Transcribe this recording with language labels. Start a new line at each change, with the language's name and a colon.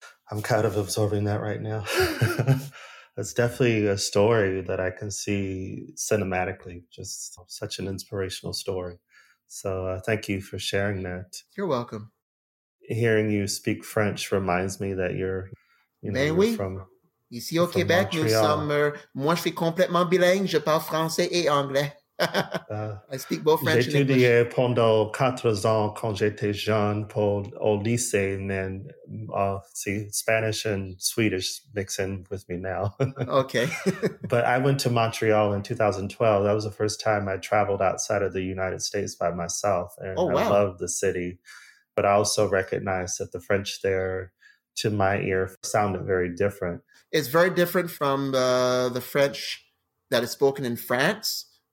English: I'm kind of absorbing that right now. It's definitely a story that I can see cinematically, just such an inspirational story. So thank you for sharing that. You're welcome. Hearing you speak French reminds me that you're from...
French: Ici au Québec, Montréal. Nous sommes... Moi, je suis complètement bilingue. Je parle français et anglais.
English: I speak both French and English.
French: J'ai étudié pendant 4 ans quand j'étais jeune pour au lycée,
English: and then Spanish and Swedish mix in with me now. Okay. But I went to Montreal in 2012. That was the first time I traveled outside of the United States by myself. And oh, wow. I loved the city. But I also recognized that the French there, to my ear, sounded very different. It's very different from the French that is spoken in France.